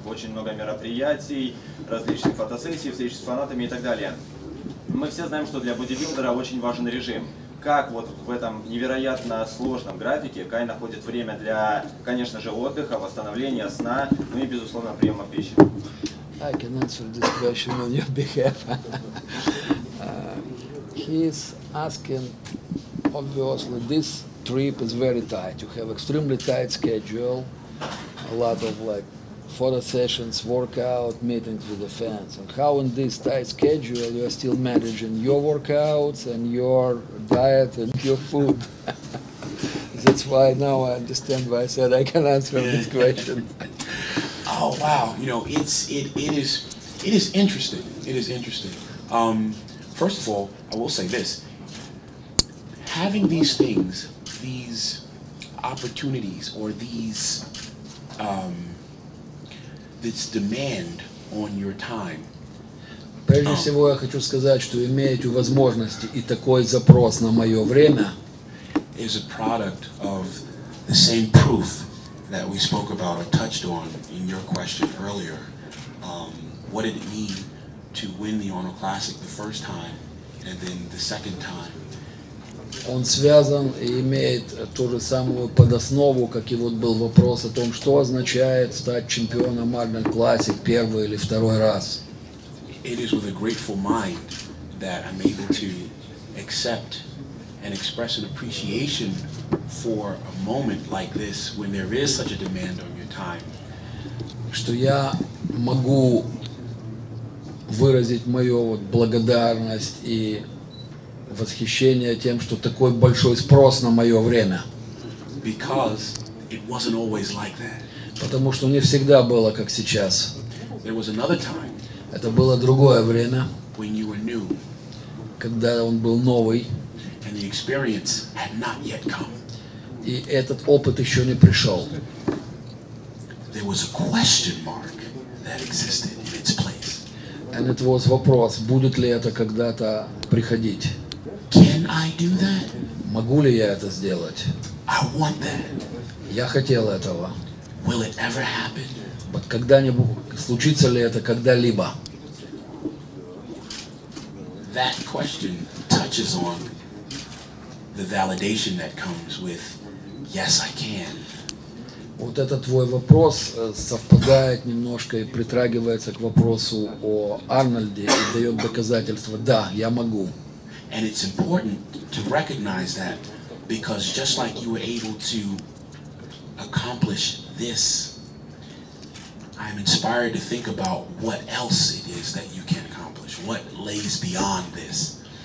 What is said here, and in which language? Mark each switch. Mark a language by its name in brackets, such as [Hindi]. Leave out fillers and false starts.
[Russian] Очень много мероприятий, различных фотосессий, встреч с фанатами и так далее. Мы все знаем, что для бодибилдера очень важен режим. Как вот в этом невероятно сложном графике Кай находит время для, конечно же, отдыха, восстановления, сна, ну и, безусловно, приема пищи? [English] I can answer this question on your behalf. He's asking... Obviously, this trip is very tight. You have extremely tight schedule, a lot of like photo sessions, workout, meetings with the fans. And how in this tight schedule you are still managing your workouts and your diet and your food? That's why now I understand why I said I can answer this question. Oh, wow. You know, it is interesting. It is interesting. First of all, I will say this. Having these things, these opportunities, or these this demand on your time. [Russian] Прежде всего, я хочу сказать, что имея эти возможности и такой запрос на мое время, [English] is a product of the same proof that we spoke about or touched on in your question earlier. What did it mean to win the Arnold Classic the first time and then the second time? [Russian] Он связан и имеет ту же самую подоснову, как и вот был вопрос о том, что означает стать чемпионом Arnold Classic первый или второй раз. [English] It is with a grateful mind that I'm able to accept and express an appreciation for a moment like this when there is such a demand on your time. [Russian] Что я могу выразить мою вот благодарность и восхищение тем, что такой большой спрос на мое время. [English] Because it wasn't always like that. [Russian] Потому что не всегда было, как сейчас. [English] There was another time. [Russian] Это было другое время. [English] When you were new. [Russian] Когда он был новый. [English] And the experience had not yet come. [Russian] И этот опыт еще не пришел. [English] There was a question mark that existed in its place. And it was [Russian] вопрос, будет ли это когда-то приходить. [English] Can I do that? [Russian] Могу ли я это сделать? [English] I want that. [Russian] Я хотел этого. [English] Will it ever happen? But [Russian] когда-нибудь, случится ли это когда-либо? [English] That question touches on the validation that comes with yes, I can. [Russian] Вот этот твой вопрос совпадает немножко и притрагивается к вопросу о Арнольде и дает доказательство, да, я могу. [English] And it's important to recognize that because just like you were able to accomplish this, I'm inspired to think about what else it is that you can accomplish, what lays beyond this.